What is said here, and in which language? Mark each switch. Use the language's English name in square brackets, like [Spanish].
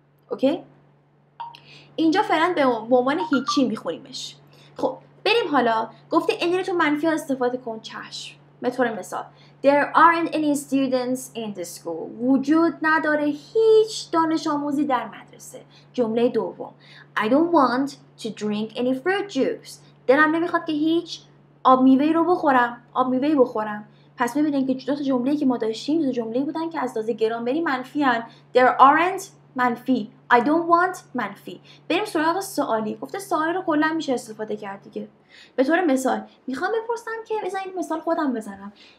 [Persian] اوکی؟ اینجا فعلا به عنوان هیچی میخونیمش. خب بریم حالا. گفته انی رو تو منفی استفاده کن. چشم. به طور مثال [English] There aren't any students in the school. [Persian] وجود نداره هیچ دانش آموزی در مدرسه. جمله دوم [English] I don't want to drink any fruit juice. [Persian] دلم نمیخواد که هیچ آب میوه رو بخورم، آب میوه بخورم. پس میبینید که دو تا جمله‌ای که ما داشتیم دو جمله‌ای بودن که از لحاظ گرامری منفیان. [English] There aren't [Persian] منفی، [English] I don't want منفی. [Persian] بریم سراغ سوالی. گفته سوالی رو کلا میشه استفاده کرد دیگه. به طور مثال میخوام بپرسم که بزنید مثال خودم بزنم.